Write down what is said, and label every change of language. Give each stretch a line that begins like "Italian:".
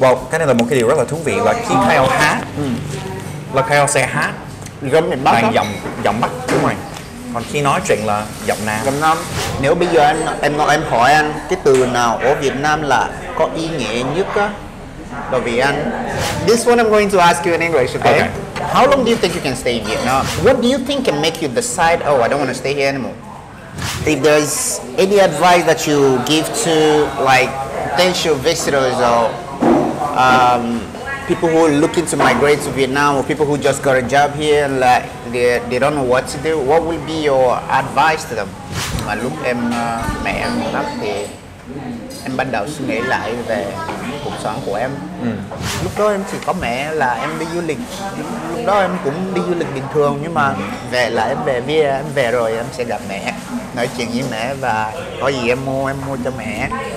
Vietnamese: Cái này là một cái điều rất là thú vị là khi Kyle hát. Là Kyle sẽ hát gần miền Bắc bằng giọng Bắc, đúng rồi. Còn khi nói chuyện là giọng Nam. Giọng Nam. Nếu bây giờ em hỏi anh cái từ nào ở Việt Nam là có ý nghĩa nhất á, bởi vì anh.
English: This one I'm going to ask you in English, okay? How long do you think you can stay in Vietnam? What do you think can make you decide, oh, I don't want to stay here anymore? If there's any advice that you give to like potential visitors or people who are looking to migrate to Vietnam or people who just got a job here and like they don't know what to do, what will be your advice to them?
Vietnamese: Mà lúc em mẹ em mất thì em bắt đầu suy nghĩ lại về cuộc sống của em. Lúc đó em chỉ có mẹ là em đi du lịch. Lúc đó em cũng đi du lịch bình thường, nhưng mà về là em về rồi em sẽ gặp mẹ, nói chuyện với mẹ và có gì em mua cho mẹ.